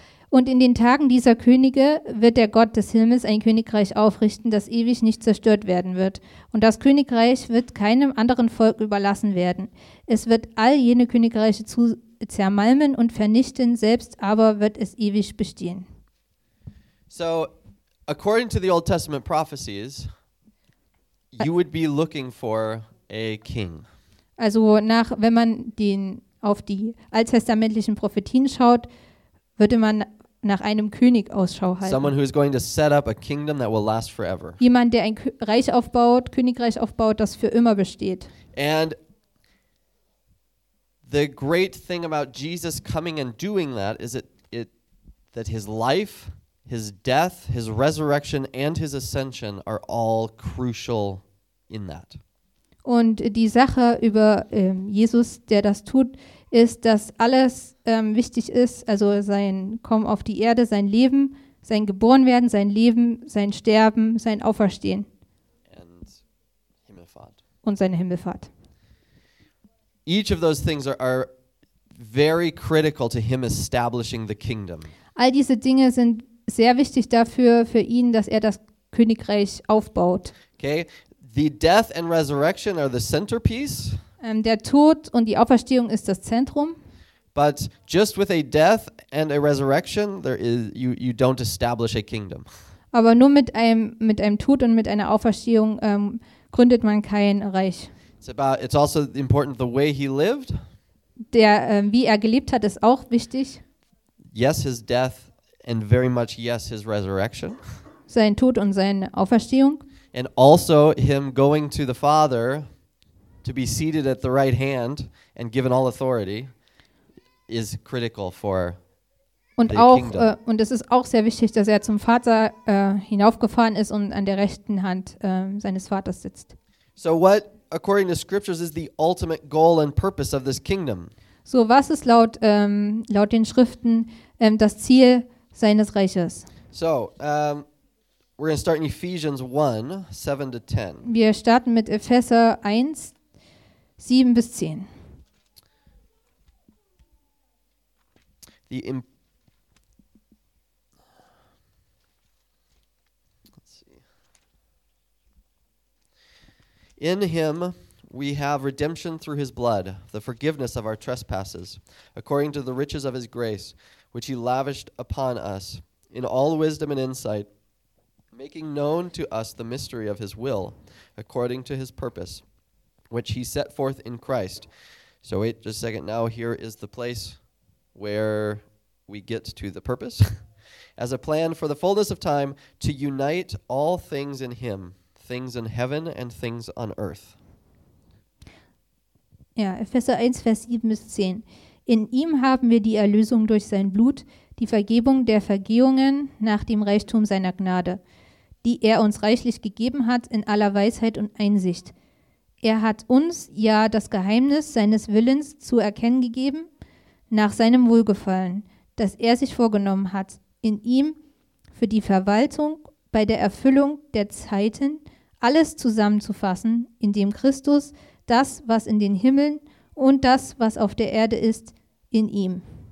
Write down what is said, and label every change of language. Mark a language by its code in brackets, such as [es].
[de] Und in den Tagen dieser Könige wird der Gott des Himmels ein Königreich aufrichten, das ewig nicht zerstört werden wird. Und das Königreich wird keinem anderen Volk überlassen werden. Es wird all jene Königreiche zermalmen und vernichten, selbst aber wird es ewig bestehen. [en] So, according to the Old Testament prophecies, you would be looking for a king. [de] Also nach, wenn man den auf die alttestamentlichen Prophetien schaut, würde man nach einem König Ausschau halten. [en] Someone who is going to set up a kingdom that will last forever. [de] Jemand, der ein Reich aufbaut, Königreich aufbaut, das für immer besteht. [en] And the great thing about Jesus coming and doing that is that his life, his death, his resurrection and his ascension are all crucial in that. [de] Und die Sache über Jesus, der das tut, ist, dass alles wichtig ist, also sein Kommen auf die Erde, sein Leben, sein Geborenwerden, sein Leben, sein Sterben, sein Auferstehen and Himmelfahrt. Und seine Himmelfahrt. [en] Each of those things are very critical to him establishing the kingdom. [de] All diese Dinge sind sehr wichtig dafür, für ihn, dass er das Königreich aufbaut. [en] Okay. The death and resurrection are the centerpiece. [de] Der Tod und die Auferstehung ist das Zentrum. [en] But just with a death and a resurrection, you don't establish a kingdom. [de] Aber nur mit einem Tod und mit einer Auferstehung gründet man kein Reich. [en] It's also important the way he lived. [de] Der wie er gelebt hat, ist auch wichtig. [en] Yes, his death and very much yes his resurrection. [de] Sein Tod und seine Auferstehung. [en] And also him going to the Father to be seated at the right hand and given all authority is critical for [de] und [en] the [de] auch, [en] kingdom. [de] Und es ist auch sehr wichtig, dass er zum Vater hinaufgefahren ist und an der rechten Hand seines Vaters sitzt. [en] So what, according to scriptures, is the ultimate goal and purpose of this kingdom? [de] So was ist laut den Schriften das Ziel seines Reiches? [en] So, we're going to start in Ephesians 1, 7 to 10. [de] Wir starten mit Epheser 1, 7 bis 10. [en] In him we have redemption through his blood, the forgiveness of our trespasses, according to the riches of his grace, which he lavished upon us in all wisdom and insight, making known to us the mystery of his will, according to his purpose, which he set forth in Christ. So wait just a second. Now here is the place where we get to the purpose. As a plan for the fullness of time, to unite all things in him, things in heaven and things on earth. [de] Ja, Epheser 1, Vers 7 bis 10. In ihm haben wir die Erlösung durch sein Blut, die Vergebung der Vergehungen nach dem Reichtum seiner Gnade, die er uns reichlich gegeben hat in aller Weisheit und Einsicht. Er hat uns ja das Geheimnis seines Willens zu erkennen gegeben, nach seinem Wohlgefallen, das er sich vorgenommen hat, in ihm für die Verwaltung bei der Erfüllung der Zeiten alles zusammenzufassen, in dem Christus das, was in den Himmeln und das, was auf der Erde ist, in ihm.